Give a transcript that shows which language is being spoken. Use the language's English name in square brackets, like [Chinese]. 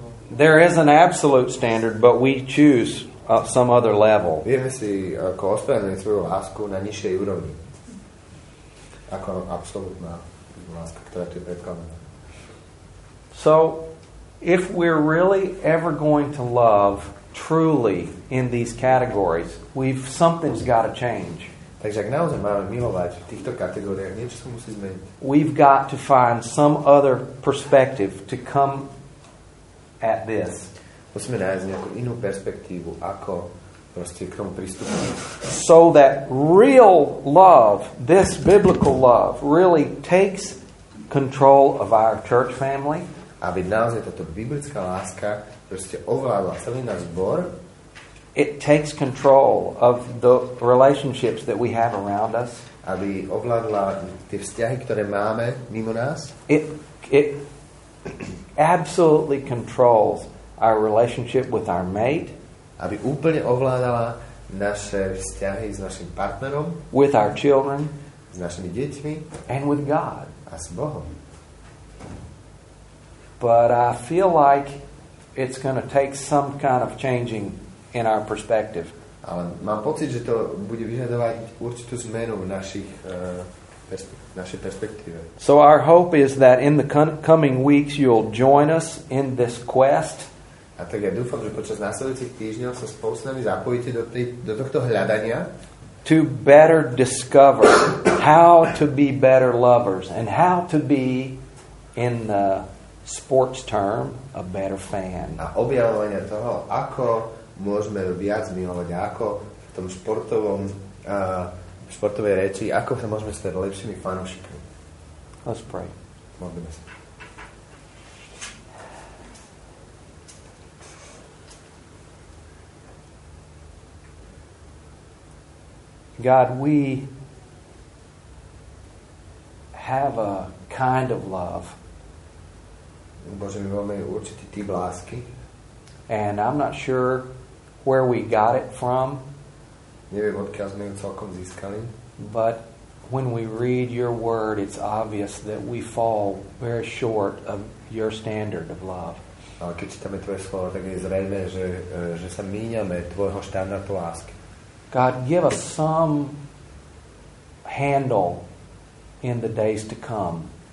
[English] There is an absolute standard, but we choose some other level. [Slovak] Vieme si ako ospravedlniť svoju lásku na nižšej úrovni. Ako absolútna láska, ktorá tu je predkladaná. [English] So, if we're really ever going to love truly in these categories, we've something's got to change. [Slovak] Takže ak naozaj máme milovať v týchto kategóriách, niečo sa musí zmeniť. [English] We've got to find some other perspective to come at this. [Slovak] Musíme nájsť nejakú inú perspektívu, ako proste k tomu pristúpiť. [English] So that real love, this biblical love, really takes control of our church family. [Slovak] Aby naozaj táto biblická láska proste ovládla celý náš zbor. [English] It takes control of the relationships that we have around us. [Slovak] Aby ovládla tie vzťahy, ktoré máme mimo nás. [English] It absolutely controls our relationship with our mate. [Slovak] Aby úplne ovládala naše vzťahy s našim partnerom. [English] With our children. [Slovak] S našimi deťmi. [English] And with God. [Slovak] A s Bohom. [English] But I feel like it's going to take some kind of changing in our perspective. [Slovak] Ale mám pocit, že to bude vyžadovať určitú zmenu v našich našej perspektíve. [English] So our hope is that in the coming weeks you'll join us in this quest. [Slovak] A tak ja dúfam, že počas následujúcich týždňov sa spolu s nami zapojíte do tohto hľadania. [English] To better discover how to be better lovers and how to be, in the sports term, a better fan. [Slovak] A objavovanie toho, ako môžeme viac milovať, ako v tom športovom športovej reči, ako sa môžeme stať lepšími fanúšikmi. [English] Let's pray. [Slovak] Modlíme sa. [English] God, we have a kind of love. [Slovak] Bože, my máme určitý typ lásky. [English] And I'm not sure where we got it from. [Slovak] Neviem, odkiaľ sme ju celkom získali. [English] But when we read your word, it's obvious that we fall very short of your standard of love. [Slovak] A keď čítame tvoje slovo, tak je zrejme, že sa míňame tvojho štandardu lásky. [English] God, give us some handle in the days to come.